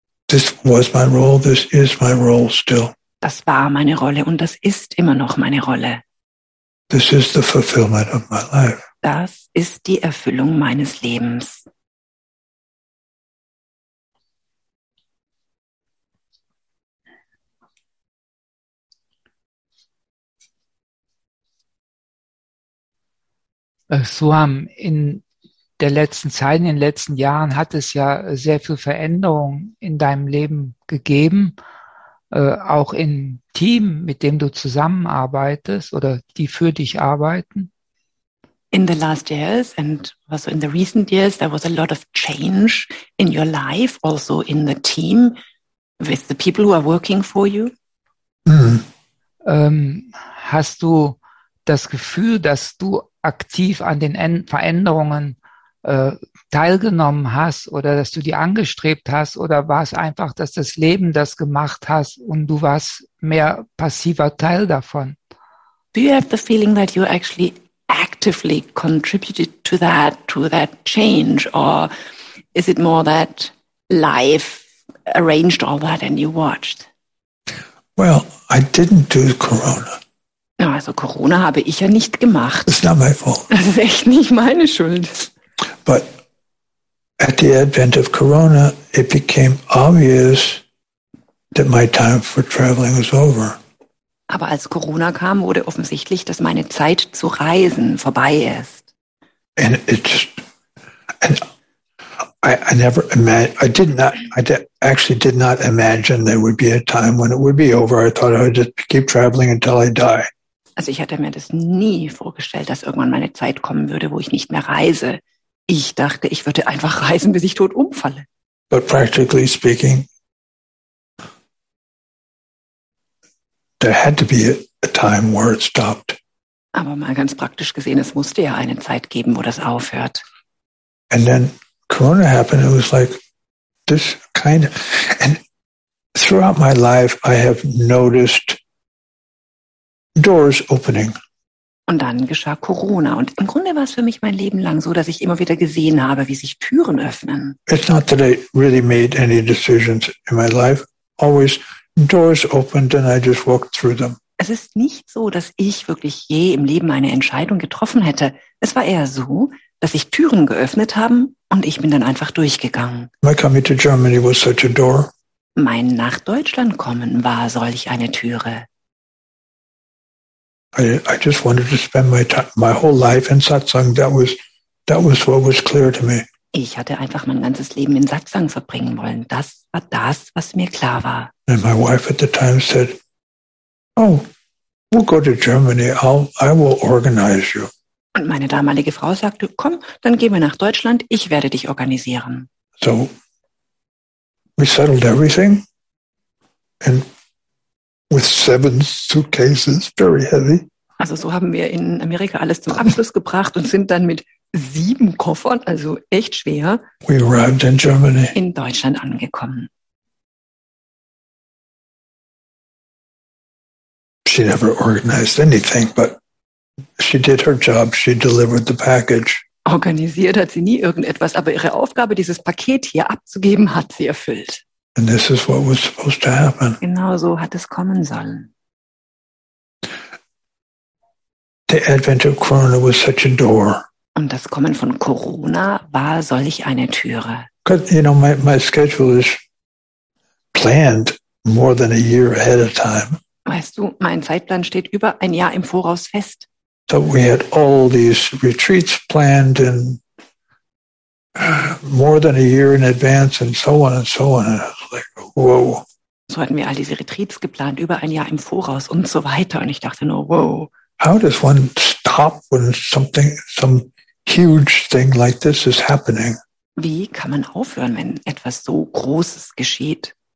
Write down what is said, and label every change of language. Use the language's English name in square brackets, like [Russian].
[English] This was my role, this is my role still. [German] Das war meine Rolle und das ist immer noch meine Rolle. [English] This is the fulfillment of my life. [German] Das ist die Erfüllung meines Lebens. Suam, in der letzten Zeit, in den letzten Jahren hat es ja sehr viel Veränderung in deinem Leben gegeben, auch im Team, mit dem du zusammenarbeitest oder die für dich arbeiten. [English] In the last years and also in the recent years, there was a lot of change in your life, also in the team, with the people who are working for you. [German] Hast du das Gefühl, dass du aktiv an den Veränderungen teilgenommen hast oder dass du die angestrebt hast, oder war es einfach, dass das Leben das gemacht hat und du warst mehr passiver Teil davon? [English] Do you have the feeling that you actually actively contributed to that change, or is it more that life arranged all that and you watched? Well, I didn't do Corona. [German] Also Corona habe ich ja nicht gemacht. [English] It's not my fault. [German] Das ist echt nicht meine Schuld. [English] But at the advent of Corona, it became obvious that my time for traveling was over. [German] Aber als Corona kam, wurde offensichtlich, dass meine Zeit zu reisen vorbei ist. [English] And it's, and I never imagined, I actually did not imagine there would be a time when it would be over. I thought I would just keep traveling until I die. [German] Also ich hatte mir das nie vorgestellt, dass irgendwann meine Zeit kommen würde, wo ich nicht mehr reise. Ich dachte, ich würde einfach reisen, bis ich tot umfalle. [English] But practically speaking, there had to be a time where it stopped. [German] Aber mal ganz praktisch gesehen, es musste ja eine Zeit geben, wo das aufhört. [English] And then Corona happened. It was like this kind of, and throughout my life, I have noticed doors opening. [German] Und dann geschah Corona. Und im Grunde war es für mich mein Leben lang so, dass ich immer wieder gesehen habe, wie sich Türen öffnen. [English] It's not that I really made any decisions in my life. Always doors opened and I just walked through them. [German] Es ist nicht so, dass ich wirklich je im Leben eine Entscheidung getroffen hätte. Es war eher so, dass sich Türen geöffnet haben und ich bin dann einfach durchgegangen. [English] My coming to Germany was such a door. [German] Mein nach Deutschland kommen war solch eine Türe. [English] I just wanted to spend my time, my whole life in Satsang. That was what was clear to me. [German] Ich hatte einfach mein ganzes Leben in Satsang verbringen wollen. Das war das, was mir klar war. [English] And my wife at the time said, "Oh, we'll go to Germany. I will organize you." [German] Und meine damalige Frau sagte, "Komm, dann gehen wir nach Deutschland. Ich werde dich organisieren." [English] So we settled everything and with 7 suitcases, very heavy. [German] Also so haben wir in Amerika alles zum Abschluss gebracht und sind dann mit 7 Koffern, also echt schwer, [English] we arrived in Germany. [German] In Deutschland angekommen. [English] She never organized anything, but she did her job. She delivered the package. [German] Organisiert hat sie nie irgendetwas, aber ihre Aufgabe, dieses Paket hier abzugeben, hat sie erfüllt. [English] And this is what was supposed to happen. [German] Genau so hat es kommen sollen. [English] The advent of Corona was such a door. [German] Und das Kommen von Corona war solch eine Türe. [English] Because, you know, my schedule is planned more than a year ahead of time. [German] Weißt du, mein Zeitplan steht über ein Jahr im Voraus fest. [English] So we had all these retreats planned and more than a year in advance and so on and so on. And it's like, whoa. [German] So hatten wir all diese Retreats geplant, über ein Jahr im Voraus und so weiter. Und ich dachte nur, whoa. [English] How does one stop when something, some huge thing like this is happening? [German] Wie kann man aufhören, wenn etwas so Großes geschieht?